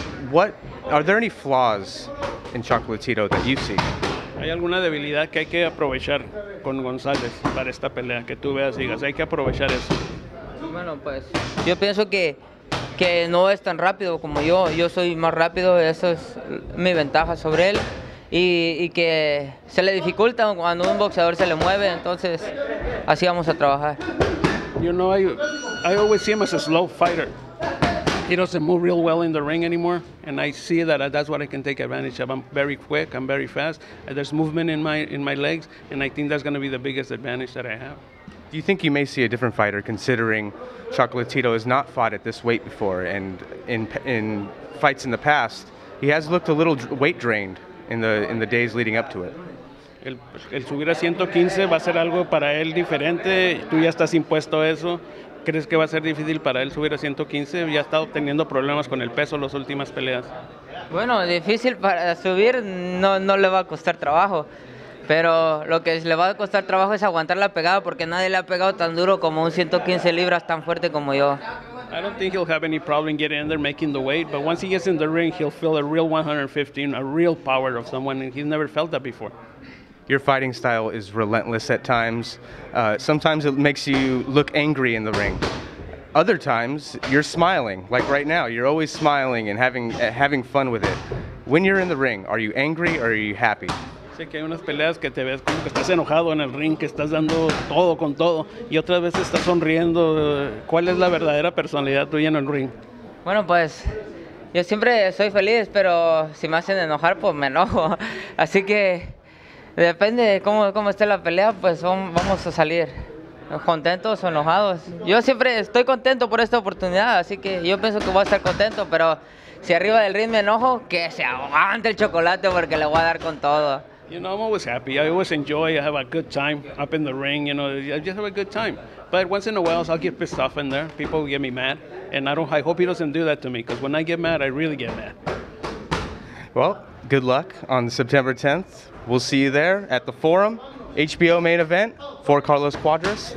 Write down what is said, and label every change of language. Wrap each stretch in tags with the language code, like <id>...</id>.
<en>What are there any flaws in Chocolatito that you see?</en> <es>Hay alguna debilidad que hay que aprovechar con Gonzalez para esta pelea, que tú veas y digas, hay que aprovechar eso. Bueno, pues yo pienso que no es tan rápido como yo. Yo soy más rápido, eso es mi ventaja sobre él. Y que se le dificulta cuando un boxeador se le mueve, entonces así vamos a trabajar.</es> <en>You know, I always see him as a slow fighter. He doesn't move real well in the ring anymore, and I see that that's what I can take advantage of. I'm very quick, I'm very fast, and there's movement in my legs, and I think that's going to be the biggest advantage that I have. Do you think you may see a different fighter, considering Chocolatito has not fought at this weight before, and in fights in the past, he has looked a little weight drained in the days leading up to it?</en> <es>El subir a 115 va a ser algo para él diferente, tú ya estás impuesto a eso. ¿Crees que va a ser difícil para él subir a 115? Ya ha estado teniendo problemas con el peso las últimas peleas. Bueno, difícil para subir, no le va a costar trabajo. Pero lo que le va a costar trabajo es aguantar la pegada porque nadie le ha pegado tan duro como un 115 libras tan fuerte como yo.</es> <en>I don't think he'll have any problem getting in there making the weight, but once he gets in the ring, he'll feel a real 115, a real power of someone, and he's never felt that before. Your fighting style is relentless at times. Sometimes it makes you look angry in the ring. Other times, you're smiling, like right now. You're always smiling and having fun with it. When you're in the ring, are you angry or are you happy?</en> <es>Sí, que hay unas peleas que te ves como que estás enojado en el ring, que estás dando todo con todo, y otras veces estás sonriendo. ¿Cuál es la verdadera personalidad tuya en el ring? Bueno, pues, yo siempre soy feliz, pero si me hacen enojar, pues me enojo. Así que, depende de cómo esté la pelea, pues vamos a salir contentos o enojados. Yo siempre estoy contento por esta oportunidad, así que yo pienso que voy a estar contento, pero si arriba del ring me enojo, que se aguante el chocolate porque le voy a dar con todo.</es> <en>You know, I'm always happy. I always enjoy. I have a good time up in the ring. You know, I just have a good time. But once in a while, I'll get pissed off in there. People will get me mad. And I hope he doesn't do that to me, because when I get mad, I really get mad. Well, good luck on September 10th. We'll see you there at the Forum, HBO main event for Carlos Cuadras.</en>